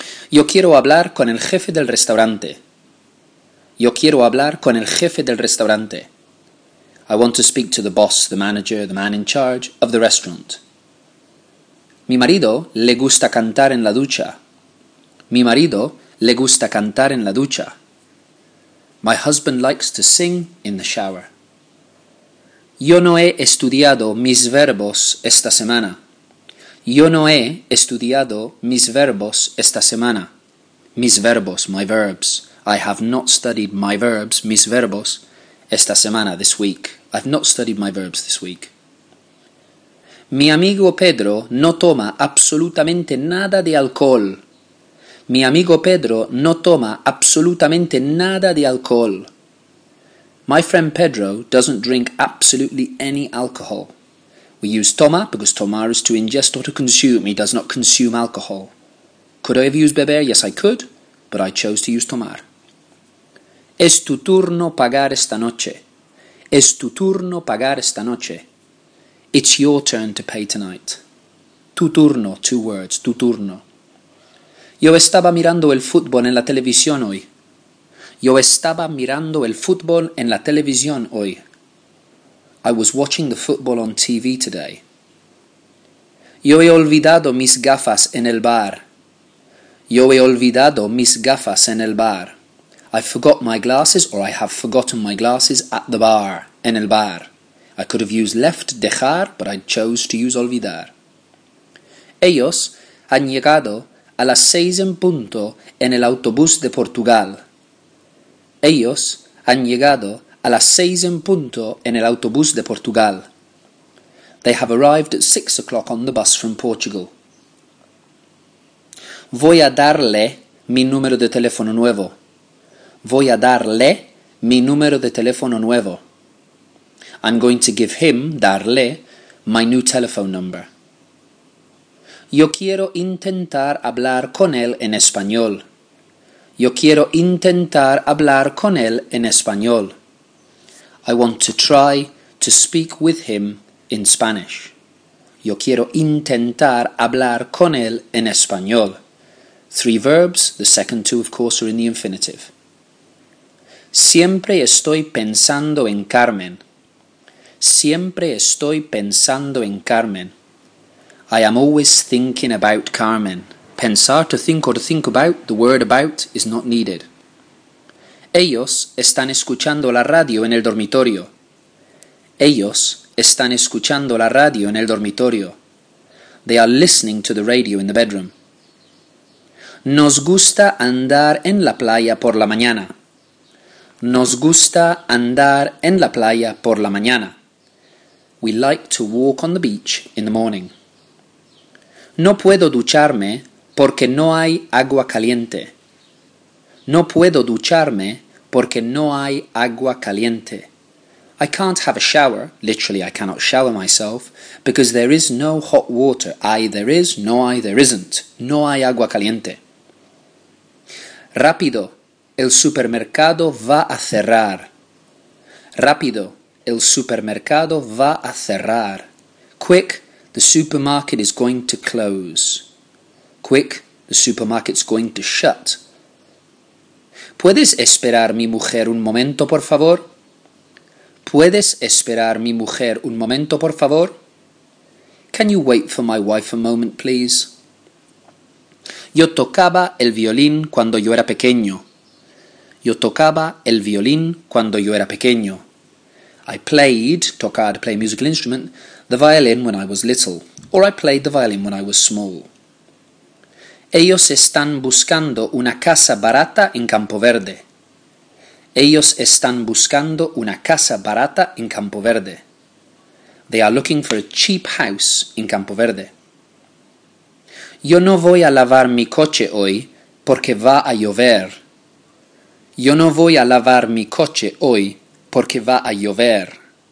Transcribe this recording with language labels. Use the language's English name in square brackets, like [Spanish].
[Spanish] Yo quiero hablar con el jefe del restaurante. Yo quiero hablar con el jefe del restaurante. [English] I want to speak to the boss, the manager, the man in charge of the restaurant. [Spanish] Mi marido le gusta cantar en la ducha. Mi marido le gusta cantar en la ducha. [English] My husband likes to sing in the shower. [Spanish] Yo no he estudiado mis verbos esta semana. Yo no he estudiado mis verbos esta semana. Mis verbos, [English] my verbs. I have not studied my verbs, [Spanish] mis verbos, esta semana, [English] this week. I've not studied my verbs this week. [Spanish] Mi amigo Pedro no toma absolutamente nada de alcohol. Mi amigo Pedro no toma absolutamente nada de alcohol. [English] My friend Pedro doesn't drink absolutely any alcohol. We use toma because tomar is to ingest or to consume. He does not consume alcohol. Could I have used beber? Yes, I could, but I chose to use tomar. [Spanish] Es tu turno pagar esta noche. Es tu turno pagar esta noche. [English] It's your turn to pay tonight. Tu turno, two words, tu turno. [Spanish] Yo estaba mirando el fútbol en la televisión hoy. Yo estaba mirando el fútbol en la televisión hoy. [English] I was watching the football on TV today. [Spanish] Yo he olvidado mis gafas en el bar. Yo he olvidado mis gafas en el bar. [English] I forgot my glasses, or I have forgotten my glasses, at the bar, [Spanish] en el bar. [English] I could have used left, dejar, but I chose to use olvidar. [Spanish] Ellos han llegado a las 6:00 en el autobús de Portugal. Ellos han llegado a las 6:00 en el autobús de Portugal. [English] They have arrived at 6:00 on the bus from Portugal. [Spanish] Voy a darle mi número de teléfono nuevo. Voy a darle mi número de teléfono nuevo. [English] I'm going to give him, darle, my new telephone number. [Spanish] Yo quiero intentar hablar con él en español. Yo quiero intentar hablar con él en español. [English] I want to try to speak with him in Spanish. [Spanish] Yo quiero intentar hablar con él en español. [English] Three verbs, the second two, of course, are in the infinitive. [Spanish] Siempre estoy pensando en Carmen. Siempre estoy pensando en Carmen. [English] I am always thinking about Carmen. Pensar, to think or to think about, the word about is not needed. [Spanish] Ellos están escuchando la radio en el dormitorio. Ellos están escuchando la radio en el dormitorio. [English] They are listening to the radio in the bedroom. [Spanish] Nos gusta andar en la playa por la mañana. Nos gusta andar en la playa por la mañana. [English] We like to walk on the beach in the morning. [Spanish] No puedo ducharme porque no hay agua caliente. No puedo ducharme porque no hay agua caliente. [English] I can't have a shower, literally I cannot shower myself, because there is no hot water. Ay, there is, no hay, there isn't. [Spanish] No hay agua caliente. Rápido, el supermercado va a cerrar. Rápido, el supermercado va a cerrar. [English] Quick, the supermarket is going to close. Quick, the supermarket's going to shut. [Spanish] ¿Puedes esperar mi mujer un momento, por favor? ¿Puedes esperar mi mujer un momento, por favor? [English] Can you wait for my wife a moment, please? [Spanish] Yo tocaba el violín cuando yo era pequeño. Yo tocaba el violín cuando yo era pequeño. [English] I played, tocar, play a musical instrument, the violin when I was little. Or I played the violin when I was small. [Spanish] Ellos están buscando una casa barata en Campo Verde. Ellos están buscando una casa barata en Campo Verde. [English] They are looking for a cheap house in Campo Verde. [Spanish] Yo no voy a lavar mi coche hoy porque va a llover. Yo no voy a lavar mi coche hoy porque va a llover.